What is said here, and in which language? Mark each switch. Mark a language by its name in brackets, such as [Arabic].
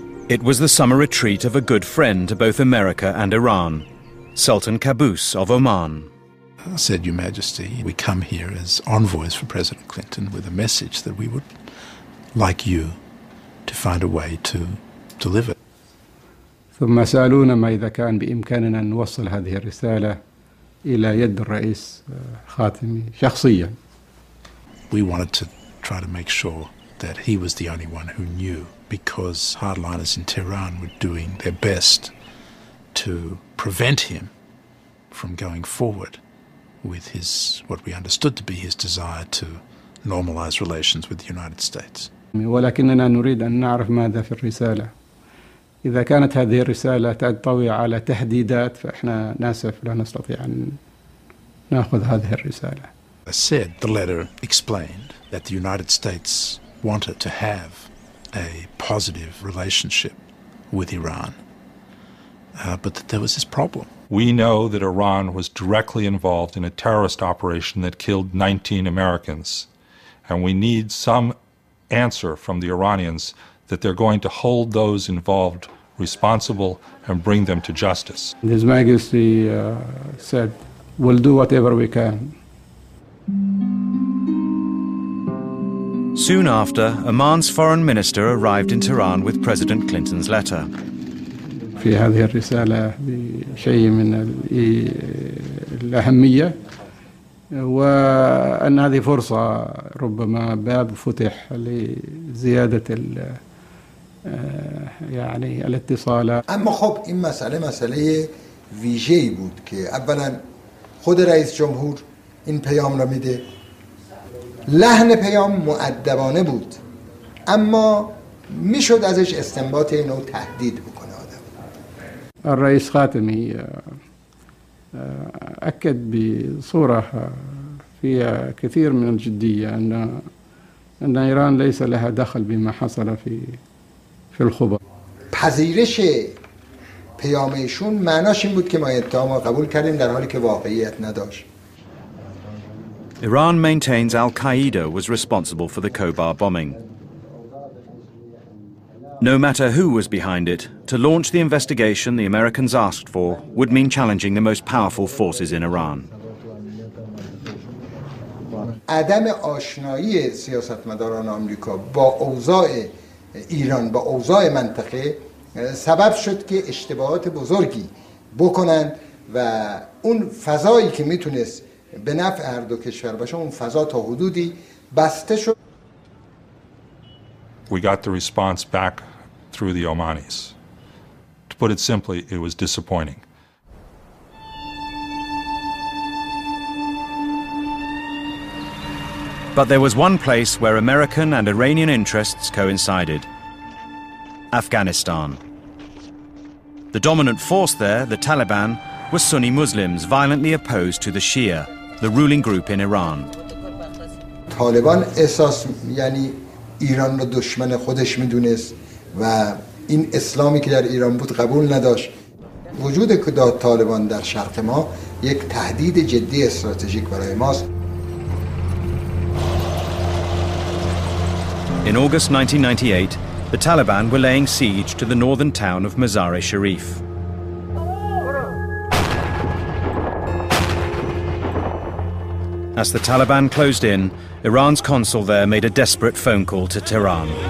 [English] It was the summer retreat of a good friend to both America and Iran, Sultan Qaboos of Oman. I said, Your Majesty, we come here as envoys for President Clinton with a message that we would like you to find a way to deliver. [Arabic] ثم سألونا ما إذا كان بإمكاننا نوصل هذه الرسالة إلى يد الرئيس خاتمي شخصيا. [English] We wanted to try to make sure that he was the only one who knew, because hardliners in Tehran were doing their best to prevent him from going forward with his, what we understood to be his desire to normalize relations with the United States. [Arabic] ولكننا نريد أن نعرف ماذا في الرسالة. إذا كانت هذه الرسالة تنطوي على تهديدات فإحنا ناسف لا نستطيع أن نأخذ هذه الرسالة. [English] I said the letter explained that the United States wanted to have a positive relationship with Iran, but that there was this problem. We know that Iran was directly involved in a terrorist operation that killed 19 Americans, and we need some answer from the Iranians that they're going to hold those involved responsible and bring them to justice. His Majesty said, we'll do whatever we can. Soon after, Oman's foreign minister arrived in Tehran with President Clinton's letter. [Arabic] في هذه الرسالة بشيء من الأهمية وأن هذه فرصة ربما باب فتح لزيادة يعني الاتصال [Persian] اما خب این مسئله مسئله ویژه‌ای بود که اولا خود رئیس جمهور این پیام را میده لحن پیام مؤدبانه بود اما میشد ازش استنباط اینو تهدید بکنه آدم [Arabic] الرئیس خاتمی اكد بصوره فيها كثير من الجدية أن إيران ليس لها دخل بما حصل في الخبر. [Persian] پذیرش پیام ایشون معناش این بود که ما اتهام را قبول کردیم در حالی که واقعیت نداشت. [English] Iran maintains Al-Qaeda was responsible for the Khobar bombing. No matter who was behind it, to launch the investigation the Americans asked for would mean challenging the most powerful forces in Iran. عدم آشنایی سیاستمداران آمریکا با اوضاع ایران با اوضاع منطقه سبب شد که اشتباهات بزرگی بکنند و اون فضایی که میتونست به نفع هر دو کشور باشه اون فضا تا حدودی بسته شد. We got the response back through the Omanis. To put it simply, it was disappointing. But there was one place where American and Iranian interests coincided. Afghanistan. The dominant force there, the Taliban, was Sunni Muslims violently opposed to the Shia, the ruling group in Iran. [Persian] Taliban احساس یعنی ایران رو دشمن خودش میدونست و این اسلامی که در ایران بود قبول نداشت. وجود کدات طالبان در شرق ما یک تهدید جدی استراتژیک برای ماست. [English] In August 1998, the Taliban were laying siege to the northern town of Mazar-e-Sharif. As the Taliban closed in, Iran's consul there made a desperate phone call to Tehran.